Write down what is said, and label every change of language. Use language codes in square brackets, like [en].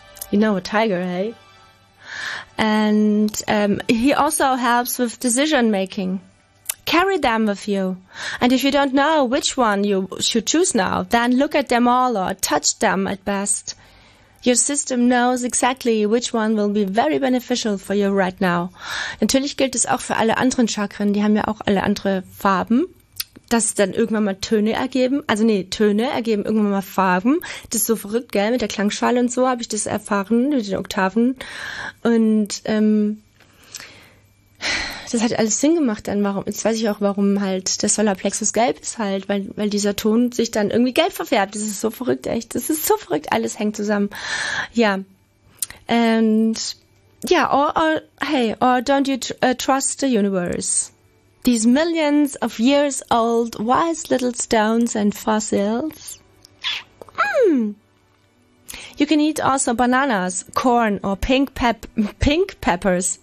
[en] You know, a tiger, hey? And he also helps with decision making. Carry them with you. And if you don't know which one you should choose now, then look at them all or touch them at best. Your system knows exactly which one will be very beneficial for you right now. [de] Natürlich gilt es auch für alle anderen Chakren. Die haben ja auch alle andere Farben. Das dann irgendwann mal Töne ergeben. Also nee, Töne ergeben irgendwann mal Farben. Das ist so verrückt, gell? Mit der Klangschale und so habe ich das erfahren, mit den Oktaven. Und das hat alles Sinn gemacht dann. Warum? Jetzt weiß ich auch, warum halt der Solarplexus gelb ist halt, weil dieser Ton sich dann irgendwie gelb verfärbt. Das ist so verrückt, echt. Das ist so verrückt, alles hängt zusammen. Ja. Und ja, [en] or don't you trust the universe? These millions of years old wise little stones and fossils. You can eat also bananas, corn or pink peppers.